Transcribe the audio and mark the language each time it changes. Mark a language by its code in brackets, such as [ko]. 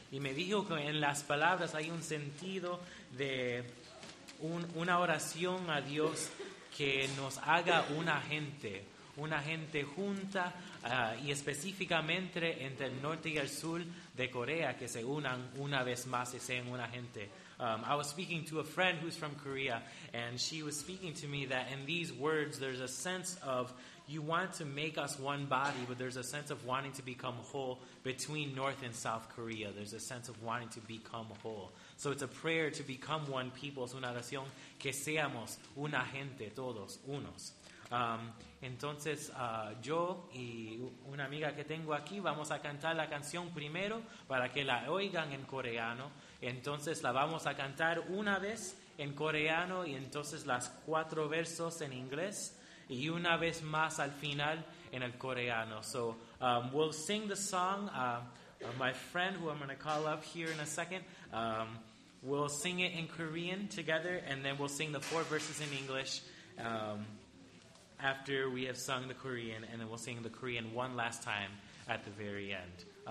[es] Y me dijo que en las palabras hay un sentido de una oración a Dios que nos haga una gente junta, y específicamente entre el norte y el sur de Corea, que se unan una vez más y sean una gente. [en] I was speaking to a friend who's from Korea, and she was speaking to me that in these words there's a sense of you want to make us one body, but there's a sense of wanting to become whole between North and South Korea. There's a sense of wanting to become whole. So it's a prayer to become one people. [es] Es una oración que seamos una gente todos, unos. Entonces yo y una amiga que tengo aquí vamos a cantar la canción primero para que la oigan en coreano. Entonces la vamos a cantar una vez en coreano y entonces las cuatro versos en inglés y una vez más al final en el coreano. [en] So we'll sing the song. My friend, who I'm going to call up here in a second, we'll sing it in Korean together, and then we'll sing the four verses in English after we have sung the Korean, and then we'll sing the Korean one last time at the very end.